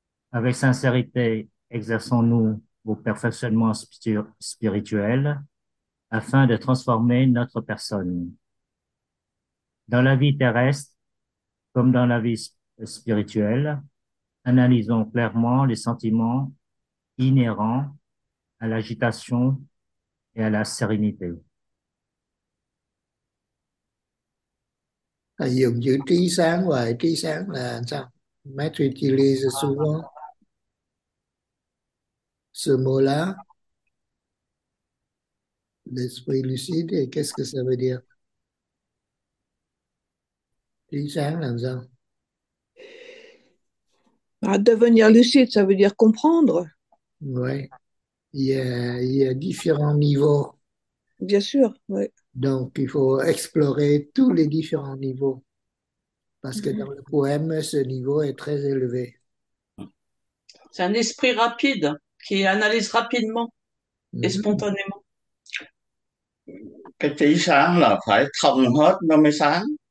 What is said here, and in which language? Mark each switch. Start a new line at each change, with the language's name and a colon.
French: Avec sincérité, exerçons-nous au perfectionnement spirituel afin de transformer notre personne. Dans la vie terrestre, comme dans la vie spirituelle, analysons clairement les sentiments inhérents à l'agitation et à la sérénité.
Vietnamese: Thầy dùng chữ trí sáng hoài, trí sáng là sao? Maitri Chili Sư Sư Mô Lá
French: L'esprit lucide, qu'est-ce que ça veut dire?
Vietnamese: Trí sáng là sao?
French: À devenir lucide, ça veut dire comprendre. Oui, il y a différents niveaux. Bien sûr, oui. Donc, il faut explorer tous les différents niveaux. Parce que dans le poème, ce niveau est très élevé. C'est un esprit rapide qui analyse rapidement et spontanément.
Vietnamese: Cái trí sáng là phải thông hết nó mới sáng.